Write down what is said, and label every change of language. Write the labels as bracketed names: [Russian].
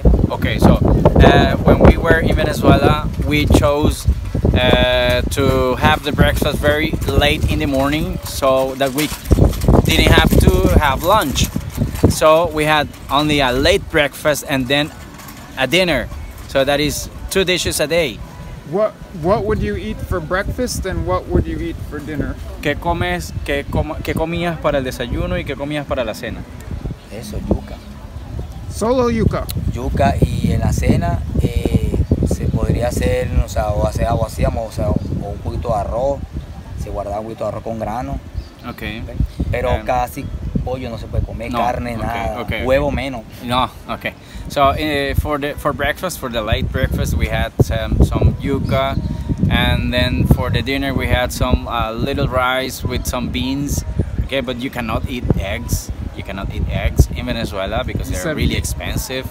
[English] Okay, so when we were in Venezuela, we chose to have the breakfast very late in the morning so that we didn't have to have lunch. So we had only a late breakfast and then a dinner. So that is two dishes a day. What would you eat for breakfast and what would you eat for dinner? [Spanish] ¿Qué comes, qué comías para el desayuno y qué comías para la cena? Eso, yuca. Solo yuca. Yuca y en la cena se podría hacer, o sea, o hacer algo así, o sea, o un poquito de arroz, se guardaba un poquito de arroz con grano. [English] Okay. [Spanish] Pero casi pollo no se puede comer, no. Carne nada, huevo menos. No, okay. [English] So for the late breakfast we had some yuca, and then for the dinner we had some little rice with some beans. Okay, but you cannot eat eggs. You cannot eat eggs in Venezuela because they're really expensive.